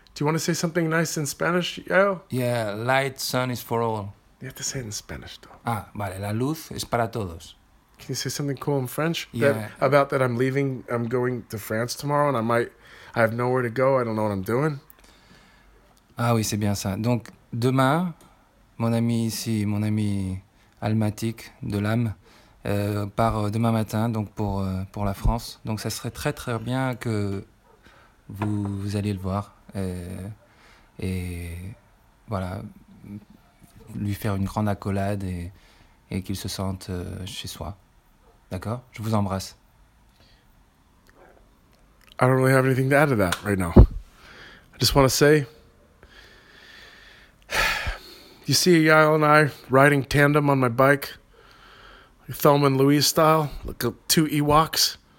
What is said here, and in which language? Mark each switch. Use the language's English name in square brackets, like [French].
[English] Do you want to say something nice in Spanish, Yael? Yeah, light, sun is for all. You have to say it in Spanish, though. [Spanish] Ah, vale, la luz es para todos. [English] Can you say something cool in French? Yeah. About that I'm leaving, I'm going to France tomorrow, and I have nowhere to go, I don't know what I'm doing. [French] Ah oui, c'est bien ça. Donc, demain, mon ami ici, mon ami almatique de l'âme, part demain matin, donc pour la France. Donc ça serait très très bien que vous alliez le voir, et voilà, lui faire une grande accolade et qu'il se sente chez soi. D'accord? Je vous embrasse. [English] I don't really have anything to add to that right now. I just want to say, you see Yael and I riding tandem on my bike, Thelma and Louise style, like two Ewoks.